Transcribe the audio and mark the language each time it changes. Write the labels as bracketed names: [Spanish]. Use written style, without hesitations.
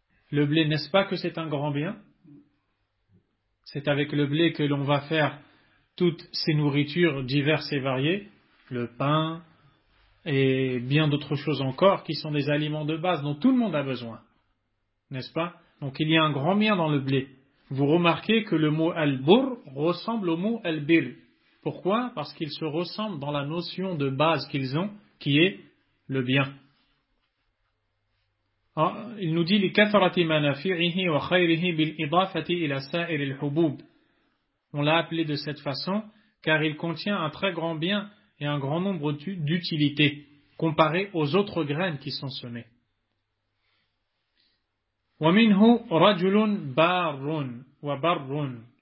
[French] Le blé, n'est-ce pas que c'est un grand bien? C'est avec le blé que l'on va faire toutes ces nourritures diverses et variées, le pain et bien d'autres choses encore, qui sont des aliments de base dont tout le monde a besoin, n'est-ce pas? Donc il y a un grand bien dans le blé. Vous remarquez que le mot al-bur ressemble au mot al-bir. Pourquoi? Parce qu'ils se ressemblent dans la notion de base qu'ils ont, qui est le bien. Il nous dit [Arabic] لكثرة منافعه وخيره بالإضافة إلى سائر الحبوب. [French] On l'a appelé de cette façon car il contient un très grand bien et un grand nombre d'utilités comparé aux autres graines qui sont semées. [Arabic] ومنه رجل بار وبر.